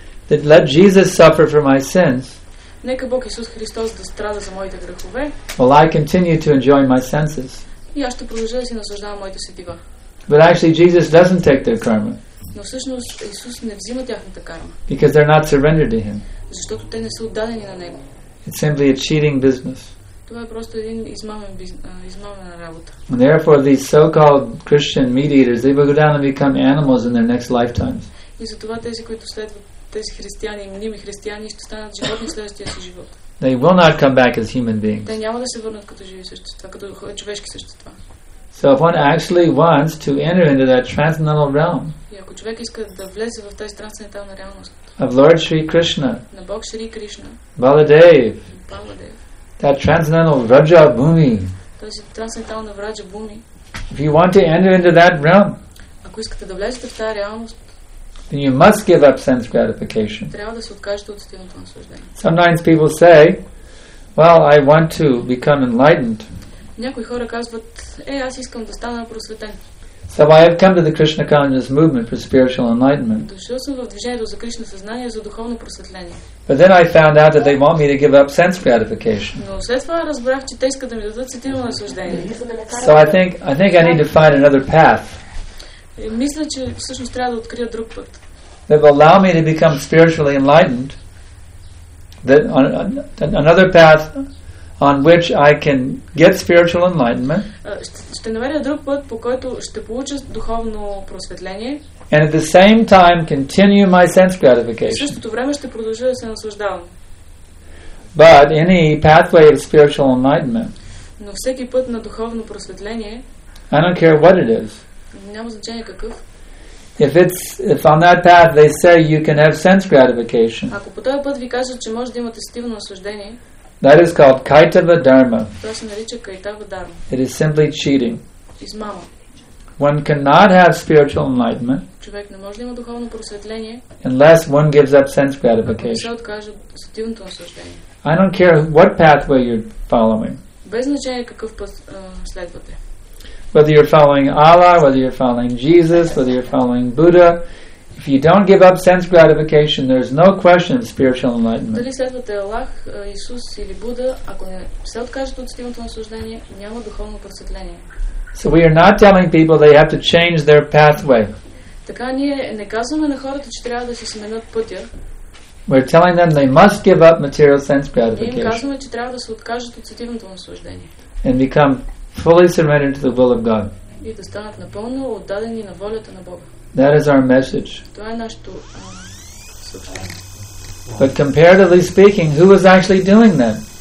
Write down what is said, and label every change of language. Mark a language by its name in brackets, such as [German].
[English] That let Jesus suffer for my sins. [Bulgarian] Нека Бог Исус Христос да страда за моите грехове. [English] While I continue to enjoy my senses. [Bulgarian] И аз ще продължа да си наслаждавам моите сетива. [English] But actually Jesus doesn't take their karma. [Bulgarian] Но всъщност Исус не взима тяхната карма. [English] Because they're not surrendered to him. [Bulgarian] Защото те не са отдадени на него. [English] It's simply a cheating business. [Bulgarian] Това е просто един измамен работа. [English] And therefore these so-called Christian meat-eaters, they will go down and become animals in their next lifetimes. [Bulgarian] И затова тези, които следват тези християни, мними християни, ще станат животни в следващия си живот. [English] They will not come back as human beings. [Bulgarian] Те няма да се върнат като живи същества, като човешки същества. [English] So if one actually wants to enter into that transcendental realm. [Bulgarian] И ако човек иска да влезе в тази трансцендентална реалност. [English] Of Lord Shri Krishna. [Bulgarian] На Бог Шри Кришна. Баладев. Баладев. [English] That transcendental Vraja Bhumi. [Bulgarian] Тази трансцендентална Vraja Bhumi. [English] If you want to enter into that realm. [Bulgarian] Ако искате да влезете в тази реалност. [English] Then you must give up sense gratification. [Bulgarian] Трябва да се откажете от сетивното наслаждение. [English] Sometimes people say, well, I want to become enlightened. [Bulgarian] Някои хора казват, аз искам да стана просветен. [English] So I have come to the Krishna consciousness movement for spiritual enlightenment. [Bulgarian] Дошъл съм в движението за Кришна съзнание за духовно просветление. [English] But then I found out that they want me to give up sense gratification. [Bulgarian] Но след това разбрах, че те искат да ми дадат сетивно наслаждение. [English] So I think I need to find another path. [Bulgarian] Мисля, че всъщност трябва да открия друг път. [English] That will allow me to become spiritually enlightened. That another path on which I can get spiritual enlightenment. [Bulgarian] Ще намеря друг път, по който ще получа духовно просветление. [English] And at the same time continue my sense gratification. [Bulgarian] В същото време ще продължа да се наслаждавам. [English] But any pathway of spiritual enlightenment. [Bulgarian] Но всеки път на духовно просветление. [English] I don't care what it is. [Bulgarian] Няма значение какъв. [English] If on that path they say you can have sense gratification. [Bulgarian] Ако по този път ви кажат, че може да имате сетивно наслаждение. [English] That is called Kaitava Dharma. [Bulgarian] Това се нарича Кайтава Дарма. [English] It is simply cheating. [Bulgarian] Измама. [English] One cannot have spiritual enlightenment. [Bulgarian] Човек не може да има духовно просветление. [English] Unless one gives up sense gratification. [Bulgarian] Ако се откаже от сетивното наслаждение. [English] I don't care what pathway you're following. [Bulgarian] Без значение какъв път следвате. [English] whether you're following Allah, whether you're following Jesus, whether you're following Buddha, if you don't give up sense gratification, there's no question of spiritual enlightenment. [Bulgarian] Дали следвате Аллах, Исус или Буда, ако се откажете от стимулното наслаждение, няма духовно просветление. [English] So we are not telling people they have to change their pathway. [Bulgarian] Така ние не казваме на хората, че трябва да се сменят пътя. [English] We're telling them they must give up material sense gratification. [Bulgarian] Ние казваме, че трябва да се откажат от сетивното наслаждение. [English] And become fully surrendered to the will of God. [Bulgarian] И да станат напълно отдадени на волята на Бога. [English] That is our message. [Bulgarian] Това е нашето съобщение. [English] But comparatively speaking, who was actually doing that?